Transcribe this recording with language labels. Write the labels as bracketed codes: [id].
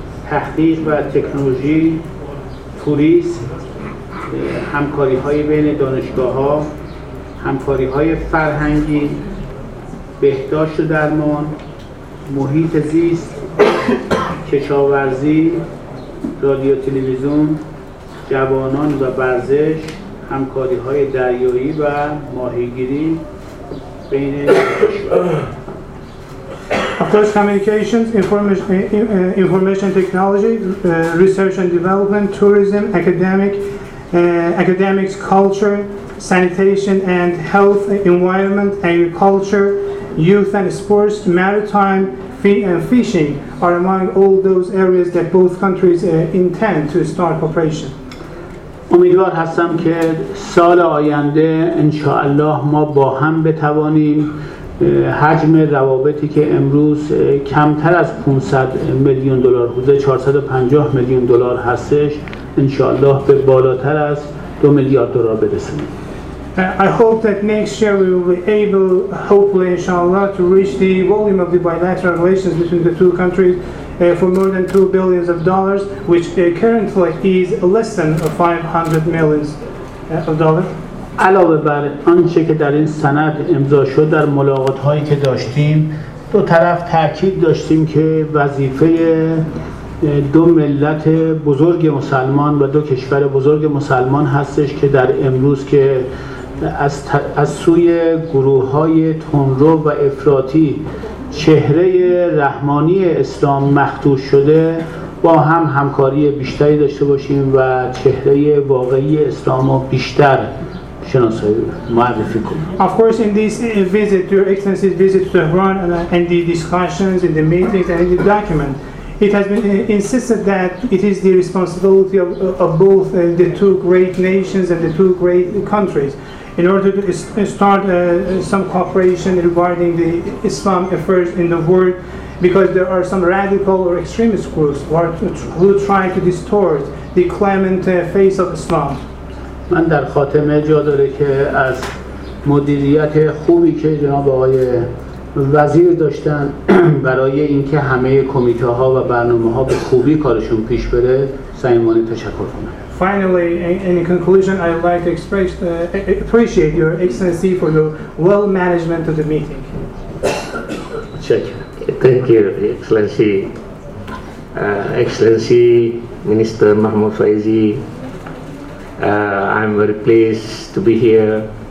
[fa] تحقیق و تکنولوژی، توریسم، همکاری های بین دانشگاه ها، همکاری های فرهنگی، بهداشت و درمان، محیط زیست، کشاورزی، رادیو تلویزیون، جوانان و ورزش، همکاری های دریایی و ماهیگیری بین دانشگاه. [en] Plus communications, information technology, research and development, tourism, academics, culture, sanitation and health, environment, agriculture, youth and sports, maritime, fishing are among all those areas that both countries intend to start cooperation. [fa] امیدوار هستم که سال آینده انشاءالله ما با هم بتوانیم حجم روابطی که امروز کمتر از 500 میلیون دلار بوده 450 میلیون دلار هستش انشاءالله به بالاتر از 2 میلیارد دلار برسیم. [en] I hope that next year we will be able, hopefully inshallah, to reach the volume of the bilateral relations between the two countries for more than $2 billion, which currently is less than $500 million. [fa] علاوه بر آنچه که در این سند امضا شد در ملاقات‌هایی که داشتیم دو طرف تأکید داشتیم که وظیفه دو ملت بزرگ مسلمان و دو کشور بزرگ مسلمان هستش که در امروز که از سوی گروه‌های تندرو و افراطی چهره رحمانی اسلام مخدوش شده با هم همکاری بیشتری داشته باشیم و چهره واقعی اسلام رو بیشتر شناسایی معرفی کنیم. [en] Of course in this visit, Your Excellency's visit to Tehran and the discussions in the meetings and in the document, it has been insisted that it is the responsibility of both the two great nations and the two great countries in order to start some cooperation regarding the Islam affairs in the world, because there are some radical or extremist groups who try to distort the clement face of Islam. [fa] من در خاتمه جا داره که از مدیریت خوبی که جناب آقای وزیر داشتن برای اینکه همه کمیته ها و برنامه ها به خوبی کارشون پیش بره صمیمانه تشکر کنم. [en] Finally, in conclusion, I would like to express appreciate Your Excellency for the well management of the meeting. Thank you, Excellency. Excellency Minister Mahmoud Faizi, I'm very pleased to be here.